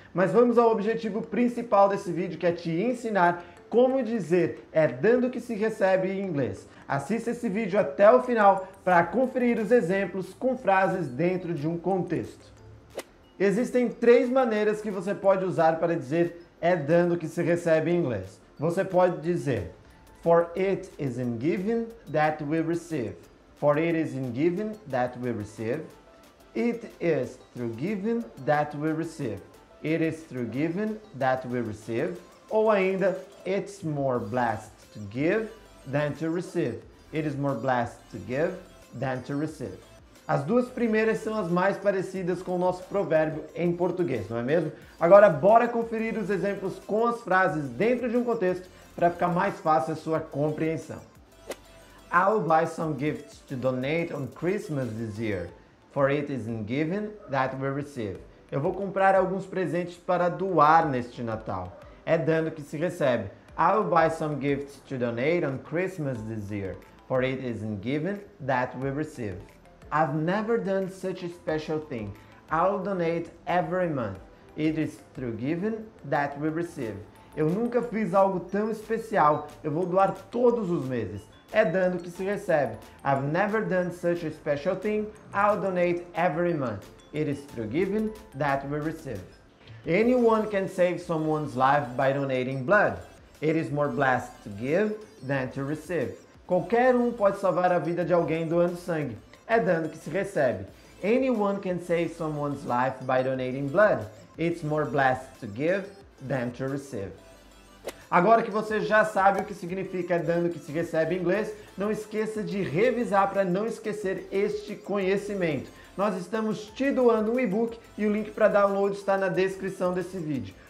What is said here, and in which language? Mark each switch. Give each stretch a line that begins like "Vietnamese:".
Portuguese: Mas vamos ao objetivo principal desse vídeo, que é te ensinar como dizer é dando que se recebe em inglês. Assista esse vídeo até o final para conferir os exemplos com frases dentro de um contexto. Existem três maneiras que você pode usar para dizer é dando que se recebe em inglês. Você pode dizer
English: for it is in giving that we receive. For it is in giving that we receive. It is through giving that we receive. It is through giving that we receive.
Portuguese: Ou ainda,
English: it's more blessed to give than to receive. It is more blessed to give than to receive.
Portuguese: As duas primeiras são as mais parecidas com o nosso provérbio em português, não é mesmo? Agora, bora conferir os exemplos com as frases dentro de um contexto para ficar mais fácil a sua compreensão.
English: I'll buy some gifts to donate on Christmas this year, for it is in giving that we receive.
Portuguese: Eu vou comprar alguns presentes para doar neste Natal. É dando que se recebe.
English: I'll buy some gifts to donate on Christmas this year, for it is in giving that we receive. I've never done such a special thing. I'll donate every month. It is through giving that we receive.
Portuguese: Eu nunca fiz algo tão especial. Eu vou doar todos os meses. É dando que se recebe.
English: I've never done such a special thing. I'll donate every month. It is through giving that we receive. Anyone can save someone's life by donating blood. It is more blessed to give than to receive.
Portuguese: Qualquer um pode salvar a vida de alguém doando sangue. É dando que se recebe.
English: Anyone can save someone's life by donating blood. It's more blessed to give than to receive.
Portuguese: Agora que você já sabe o que significa dando que se recebe em inglês, não esqueça de revisar para não esquecer este conhecimento. Nós estamos te doando um e-book e o link para download está na descrição desse vídeo.